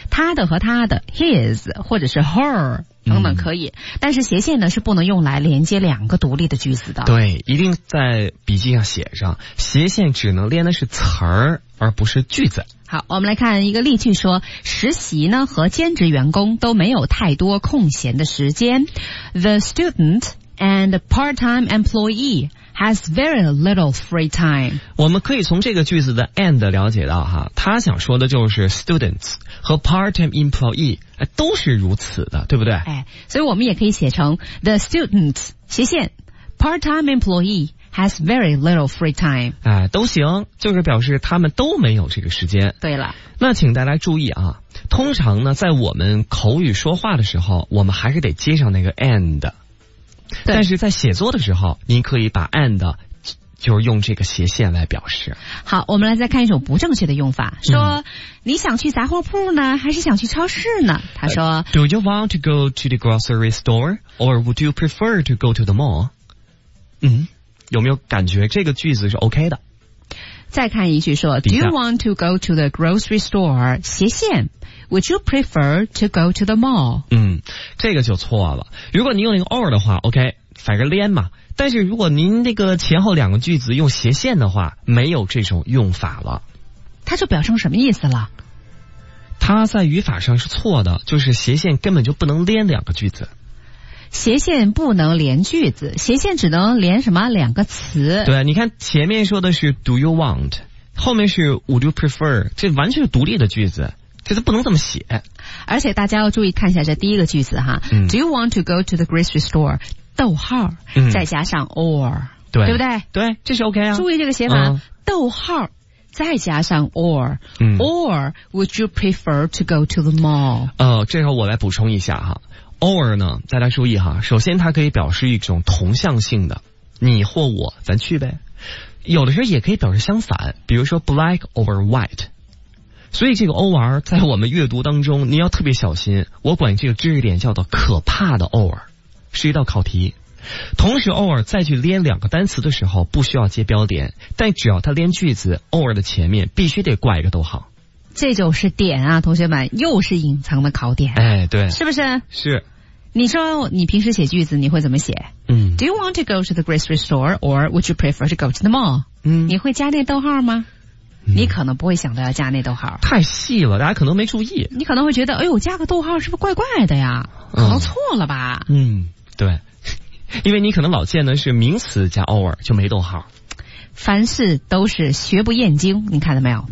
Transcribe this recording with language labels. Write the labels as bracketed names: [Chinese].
[Chinese] 他的和他的 ， his 或者是 her 等等可以，嗯、但是斜线呢是不能用来连接两个独立的句子的。对，一定在笔记上写上，斜线只能连的是词儿，而不是句子。好，我们来看一个例句，说实习呢和兼职员工都没有太多空闲的时间。 [English] The student and part-time employee has very little free time。 [Chinese] 我们可以从这个句子的 and 了解到哈，他想说的就是 students 和 part-time employee 都是如此的，对不对？哎，所以我们也可以写成 the student 斜线 part-time employee。 [English] Has very little free time。 [Chinese] 哎，都行，就是表示他们都没有这个时间。对了，那请大家注意啊，通常呢，在我们口语说话的时候，我们还是得接上那个 and。对。但是在写作的时候，您可以把 and 就是用这个斜线来表示。好，我们来再看一种不正确的用法，说、你想去杂货铺呢，还是想去超市呢？他说 [English] ，Do you want to go to the grocery store, or would you prefer to go to the mall？ [Chinese] 嗯。有没有感觉这个句子是 OK 的？ [English] 再看一句说 ，Do you want to go to the grocery store？斜线 ，Would you prefer to go to the mall？ [Chinese] 嗯，这个就错了。如果您用那个 or 的话 ，OK， 反正连嘛。但是如果您那个前后两个句子用斜线的话，没有这种用法了。它就表示什么意思了？它在语法上是错的，就是斜线根本就不能连两个句子。斜线不能连句子，斜线只能连什么两个词。对，你看前面说的是 do you want，后面是 would you prefer，这完全是独立的句子，其实不能这么写。而且大家要注意看一下这第一个句子哈、嗯、 [English] do you want to go to the grocery store， 逗号、 [Chinese] 嗯、再加上 or，对，对不对？对，这是 OK 啊。注意这个写法、嗯、逗号再加上 or、嗯、 [English] or would you prefer to go to the mall。 [Chinese] 这时候我来补充一下哈，or 呢，大家注意哈，首先它可以表示一种同向性的，你或我咱去呗。有的时候也可以表示相反，比如说 black or white。所以这个 or 在我们阅读当中你要特别小心，我管这个知识点叫做可怕的 or， 是一道考题。同时 or 再去连两个单词的时候不需要接标点，但只要它连句子， or 的前面必须得挂一个逗号。这就是点啊，同学们，又是隐藏的考点。哎，对，是不是？是，你说你平时写句子你会怎么写？嗯 [English] ，Do you want to go to the grocery store or would you prefer to go to the mall？ [Chinese] 嗯，你会加那逗号吗？你可能不会想到要加那逗号，太细了，大家可能没注意。你可能会觉得，哎呦，加个逗号是不是怪怪的呀？可能错了吧？嗯，对，因为你可能老见的是名词加 or 就没逗号。凡事都是学不厌精，你看到没有？